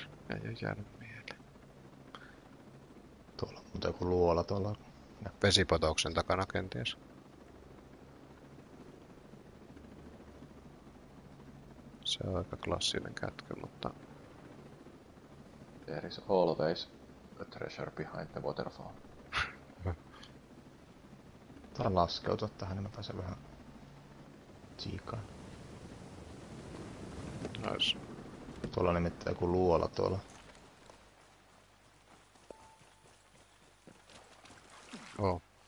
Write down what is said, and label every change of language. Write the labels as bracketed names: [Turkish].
[Finnish] Ei ole jäänyt. Mutta joku luola tuolla. Ja vesipotoksen takana kenties. Se on aika klassinen kätkö, mutta... [English] There is always a treasure behind the waterfall. [Finnish] Tää laskeutua tähän, niin mä pääsen vähän... ...tsiikaan. [English] Nice. [Finnish] Tuolla on nimittäin joku luola tuolla. Oo.